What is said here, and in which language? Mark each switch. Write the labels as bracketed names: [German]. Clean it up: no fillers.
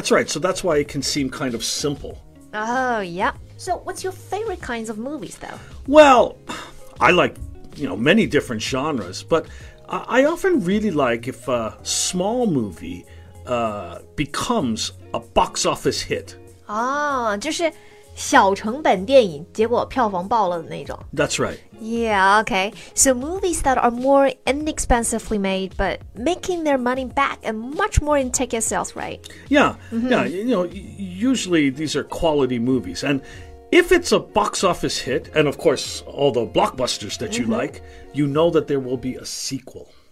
[English] That's right. So that's why it can seem kind of simple. Oh, yeah. So what's your favorite kinds of movies, though? Well, I like, you know, many different genres, but I often really like if a small movie becomes a box office hit. [Chinese] Oh, 就是小成本电影结果票房爆了的那种。 [English] That's right. Yeah, okay. So movies that are more inexpensively made, but making their money back and much more in ticket sales, right? Yeah,、mm-hmm. yeah. You know, usually these are quality movies. And if it's a box office hit, and of course all the blockbusters that you、mm-hmm. like, you know that there will be a sequel.